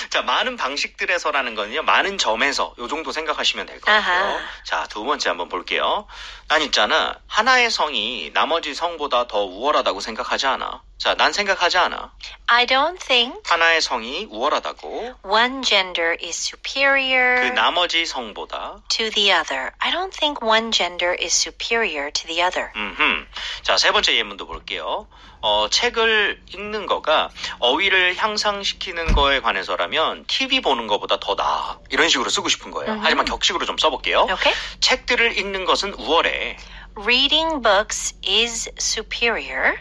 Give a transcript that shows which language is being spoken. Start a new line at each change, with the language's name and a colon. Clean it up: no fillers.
Korean: 자, 많은 방식들에서라는 건요. 많은 점에서 요 정도 생각하시면 될 것 같고요. 자, 두 번째 한번 볼게요. 난 있잖아. 하나의 성이 나머지 성보다 더 우월하다고 생각하지 않아. 자, 난 생각하지 않아.
English: I don't think
Korean: 하나의 성이 우월하다고.
English: One gender is superior
Korean: 그 나머지 성보다
English: to the other. I don't think one gender is superior to the other.
Korean: 자, 세 번째 예문도 볼게요. 책을 읽는 거가 어휘를 향상시키는 거에 관해서라면 TV 보는 거보다 더 나아. 이런 식으로 쓰고 싶은 거예요. 하지만 격식으로 좀 써볼게요.
English: Okay.
Korean: 책들을 읽는 것은 우월해.
English: Reading books is superior